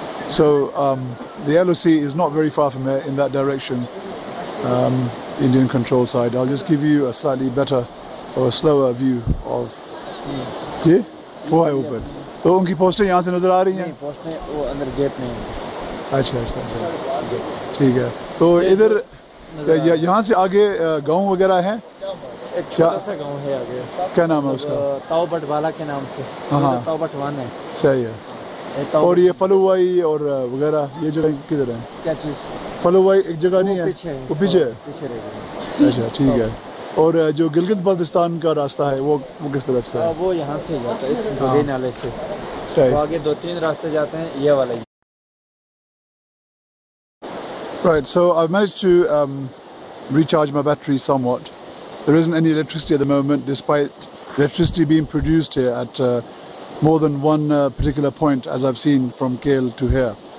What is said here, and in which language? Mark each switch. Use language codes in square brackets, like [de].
[en] So the LOC is not very far from here in that direction, Indian control side. I'll just give you a slightly better or a slower view of... Yeah. Why open? Are their posts here? No, their posts are inside the gate. [hi] ठीक है तो इधर यहाँ से आगे गांव वगैरह है एक छोटा सा गांव है आगे क्या नाम है उसका ताओबट वाला के नाम से ताओबट वन है सही है और ये फलुवाई और वगैरह ये जगह किधर है क्या चीज फलुवाई एक जगह नहीं है वो पीछे है पीछे रहेगा अच्छा ठीक है और जो गिलगित बल्तिस्तान का रास्ता है वो किस तरफ से वो यहाँ से जाता है इस बड़े नाले से आगे दो तीन रास्ते जाते हैं ये वाला [en] Right, so I've managed to recharge my battery somewhat. There isn't any electricity at the moment, despite electricity being produced here at more than one particular point, as I've seen from KL to here.